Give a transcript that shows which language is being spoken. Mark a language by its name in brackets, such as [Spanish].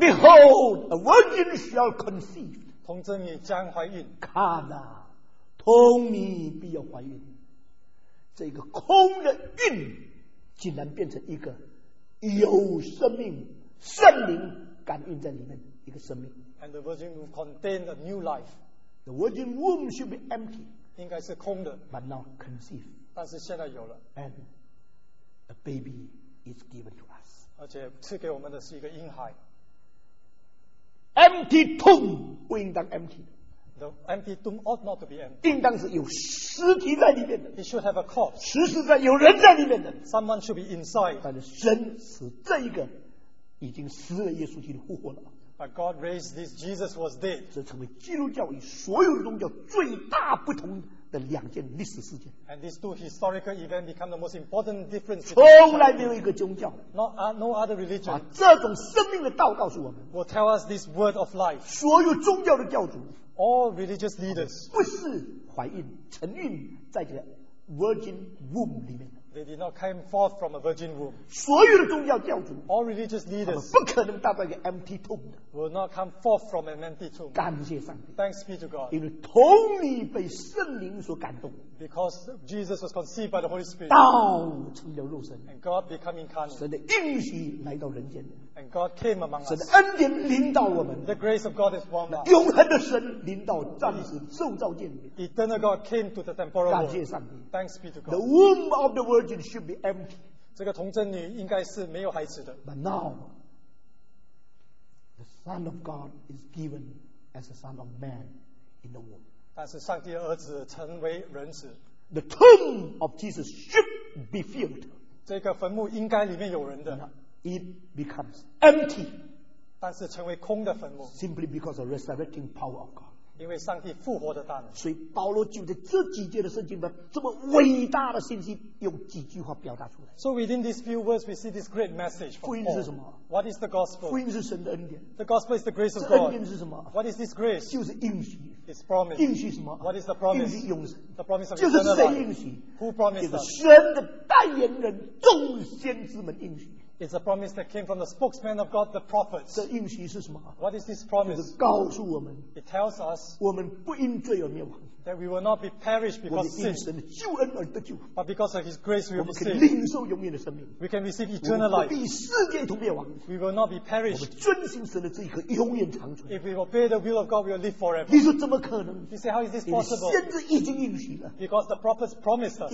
[English] behold, a virgin shall conceive [Chinese] 童贞也将怀孕看啊空你必要怀孕这个空的孕竟然变成一个有生命圣灵感应在里面一个生命 [English] and the virgin womb contained a new life the virgin womb should be empty [Chinese] 应该是空的 [English] but not conceived [Chinese] 但是现在有了 [English] and a baby is given to us [Chinese] 而且赐给我们的是一个婴孩 [English] empty tomb [Chinese] 不应当 [English] empty The empty tomb ought not to be empty. [Chinese] 应当是有尸体在里面的。 [English] It should have a corpse. [Chinese] 实实在有人在里面的。 [English] Someone should be inside. [Chinese] 但是神使这一个已经死了耶稣基督复活了。 [English] But God raised this Jesus was dead. [Chinese] 这成为基督教与所有的宗教最大不同的两件历史事件。 [English] And these two historical events become the most important difference. [Chinese] 从来没有一个宗教。 [English] No other religion. [Chinese] 把这种生命的道告诉我们。 [English] Will tell us this word of life. [Chinese] 所有宗教的教主。 [English] All religious leaders [Chinese] 不是怀孕承孕在这个 [English] virgin womb [Chinese] 里面 [English] They did not come forth from a virgin womb [Chinese] 所有的宗教教主 [English] All religious leaders [Chinese] 不可能到达一个 [English] empty tomb Will not come forth from an empty tomb [Chinese] 感谢上帝 [English] Thanks be to God [Chinese] 因为同你被圣灵所感动 [English] Because Jesus was conceived by the Holy Spirit [Chinese] 道成了肉身 [English] And God became incarnate [Chinese] 神的应许来到人间 [English] And God came among us. [Chinese] 神的恩典临到我们。 [English] The grace of God is upon us. [Chinese] 永恒的神临到暂时受造界里面。 [English] Eternal God came to the temporal world. [Chinese] 感谢上帝。 [English] Thanks be to God. The womb of the virgin should be empty. [Chinese] 这个童贞女应该是没有孩子的。 [English] But now, the Son of God is given as the Son of Man in the womb. [Chinese] 但是上帝的儿子成为人子。 [English] The tomb of Jesus should be filled. [Chinese] 这个坟墓应该里面有人的。 [English] It becomes empty, [Chinese] 但是成为空的坟墓 [English] simply because of resurrecting power of God. [Chinese] 因为上帝复活的大能。所以保罗就在这几节的圣经里，这么伟大的信息，用几句话表达出来。 [English] So within these few words, we see this great message. [Chinese] 福音是什么 [English] ？What is the gospel? [Chinese] 福音是神的恩典。 [English] The gospel is the grace of God. [Chinese] 这恩典是什么 [English] ？What is this grace? [Chinese] 就是应许。 [English] It's promise. [Chinese] 应许什么 [English] ？What is the promise? [Chinese] 应许永生。 [English] The promise of eternal life. [Chinese] 就是谁应许 [English] ？Who promised? [Chinese] 就是神的代言人，众先知们应许。 [English] It's a promise that came from the spokesman of God, the prophets. [Chinese] 这应许是什么 [English] What is this promise? [Chinese] 就是告诉我们 [English] It tells us [Chinese] 我们不因罪而灭亡 [English] that we will not be perished because of sin. [Chinese] 我们因神的救恩而得救 [English] but because of his grace we will be saved. [Chinese] 我们可以领受永远的生命 [English] we can receive eternal life. [Chinese] 我们不必世界同灭亡 [English] we will not be perished. [Chinese] 我们遵行神的旨意可以永远长存 [English] if we obey the will of God, we will live forever. [Chinese] 你说怎么可能 [English] you say, how is this possible? [Chinese] 先知已经应许了 [English] because the prophets promised us.